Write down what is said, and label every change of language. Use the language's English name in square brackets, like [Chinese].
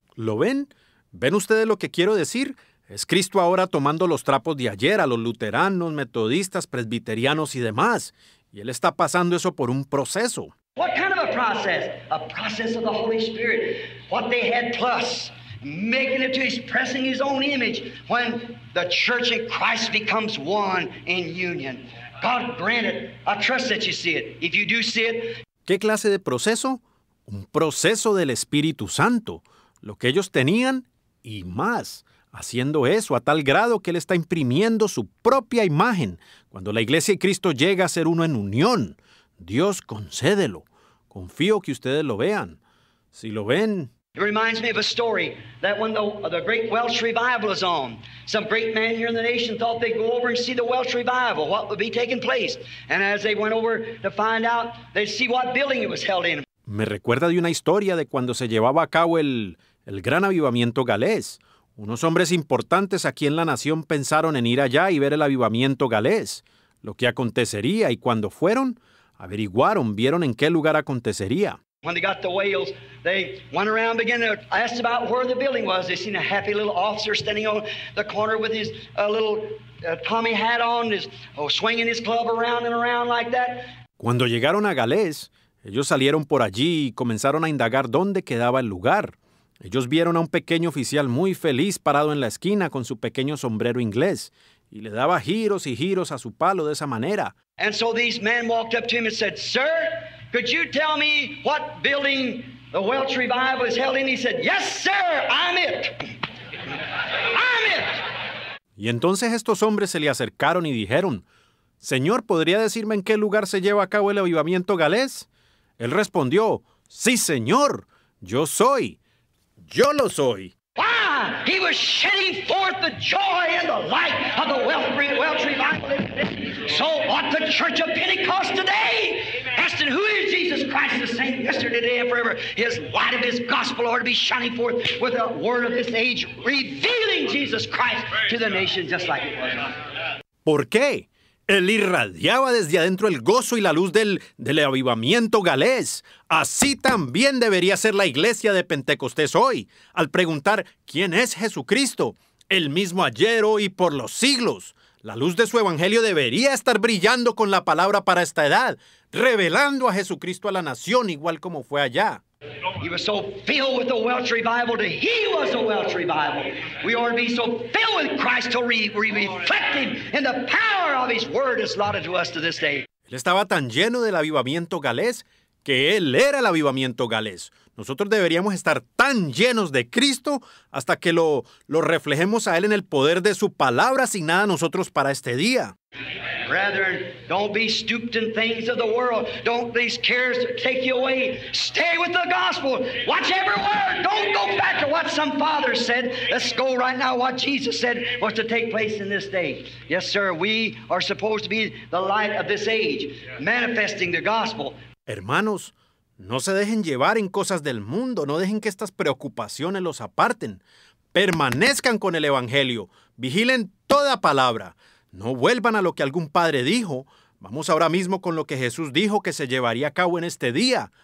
[Spanish] ¿Lo ven? ¿Ven ustedes lo que quiero decir? Es Cristo ahora tomando los trapos de ayer a los luteranos, metodistas, presbiterianos y demás. Y Él está pasando eso por un proceso. [English] What kind of a process? A process of the Holy Spirit. What they had plus. Making it to his pressing his own image when the church in Christ becomes one in union. God grant it. I trust that you see it. If you do see it. [Spanish] ¿Qué clase de proceso? Un proceso del Espíritu Santo. Lo que ellos tenían y más, haciendo eso a tal grado que Él está imprimiendo su propia imagen. Cuando la iglesia y Cristo llega a ser uno en unión, Dios concédelo. Confío que ustedes lo vean. Si lo ven... [English] It reminds me of a story that when the great Welsh revival is on, some great man here in the nation thought they'd go over and see the Welsh revival, what would be taking place. And as they went over to find out, they'd see what building it was held in. [Spanish] Me recuerda de una historia de cuando se llevaba a cabo el gran avivamiento galés. Unos hombres importantes aquí en la nación pensaron en ir allá y ver el avivamiento galés. Lo que acontecería y cuando fueron, averiguaron, vieron en qué lugar acontecería. [English] When they got to Wales, they went around and began to ask about where the building was. They seen a happy little officer standing on the corner with his Tommy hat on, swinging his club around and around like that. [Spanish] Cuando llegaron a Galés, ellos salieron por allí y comenzaron a indagar dónde quedaba el lugar. Ellos vieron a un pequeño oficial muy feliz parado en la esquina con su pequeño sombrero inglés y le daba giros y giros a su palo de esa manera. [English] And so these men walked up to him and said, "Sir, could you tell me what building the Welsh revival is held in?" He said, "Yes, sir, I'm it. I'm it." [Spanish] Y entonces estos hombres se le acercaron y dijeron, "Señor, ¿podría decirme en qué lugar se lleva a cabo el avivamiento galés?" Él respondió, "Sí, señor, yo soy. Yo lo soy." [English] Ah, he was shedding forth the joy and the light of the Welsh revival. So ought the church of Pentecost today. Asking, who is Jesus Christ, the same yesterday, today, and forever? His light of his gospel ought to be shining forth with the word of this age, revealing Jesus Christ to the nation just like it was. [Spanish] ¿Por qué? Él irradiaba desde adentro el gozo y la luz del avivamiento galés. Así también debería ser la iglesia de Pentecostés hoy, al preguntar quién es Jesucristo, el mismo ayer, hoy y por los siglos. La luz de su evangelio debería estar brillando con la palabra para esta edad, revelando a Jesucristo a la nación igual como fue allá. [English] He was so filled with the Welch revival till he was a Welch revival. We ought to be so filled with Christ till we reflect him in the power of his word as allotted to us to this day. [Spanish] Él estaba tan lleno del avivamiento galés que él era el avivamiento galés. Nosotros deberíamos estar tan llenos de Cristo hasta que lo reflejemos a él en el poder de su palabra asignada a nosotros para este día. [English] Brethren, don't be stooped in things of the world. Don't these cares take you away. Stay with the gospel. Watch every word. Don't go back to what some father said. Let's go right now what Jesus said was to take place in this day. Yes, sir, we are supposed to be the light of this age, manifesting the gospel. [Spanish] Hermanos, no se dejen llevar en cosas del mundo. No dejen que estas preocupaciones los aparten. Permanezcan con el evangelio. Vigilen toda palabra. No vuelvan a lo que algún padre dijo. Vamos ahora mismo con lo que Jesús dijo que se llevaría a cabo en este día.